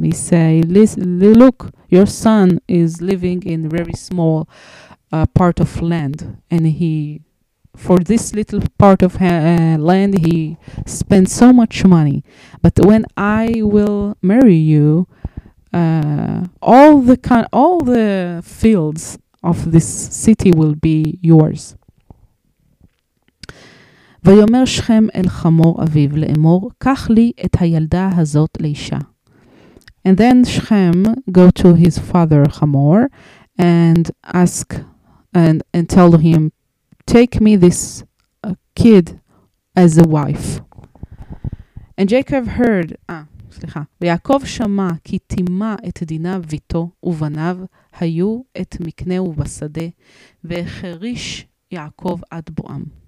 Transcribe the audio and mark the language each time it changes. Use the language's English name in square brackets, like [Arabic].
[English] He say, look, your son is living in very small part of land, and he, for this little part of land, he spent so much money. But when I will marry you, all the fields of this city will be yours. [Hebrew] ויאמר שכם אל חמור אביו לאמור, קח לי את הילדה הזאת לאישה. [English] And then Shechem go to his father Hamor and ask and tell him, take me this kid as a wife. And Jacob heard, [Hebrew] ויעקב שמע כי תימה את דינה ביתו ובניו היו את מקנהו בשדה והחריש יעקב עד בועם.